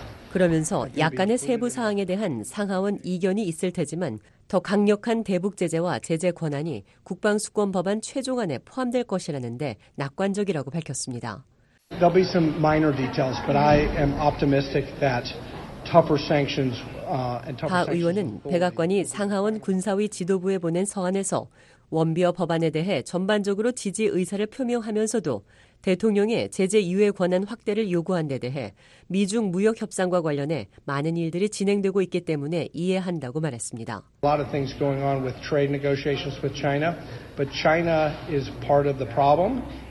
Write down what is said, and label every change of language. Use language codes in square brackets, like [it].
[ko] 그러면서 약간의 세부 사항에 대한 상하원 이견이 있을 테지만 더 강력한 대북 제재와 제재 권한이 국방수권 법안 최종안에 포함될 것이라는데 낙관적이라고 밝혔습니다. [en] There'll be some minor details, but I am optimistic that. [ko] 바 의원은 백악관이 상하원 군사위 지도부에 보낸 서한에서 원비어 법안에 대해 전반적으로 지지 의사를 표명하면서도 대통령의 제재 유예 권한 확대를 요구한 데 대해 미중 무역 협상과 관련해 많은 일들이 진행되고 있기 때문에 이해한다고 말했습니다. [en] A lot of things going on with trade negotiations with China, but China is part of the problem.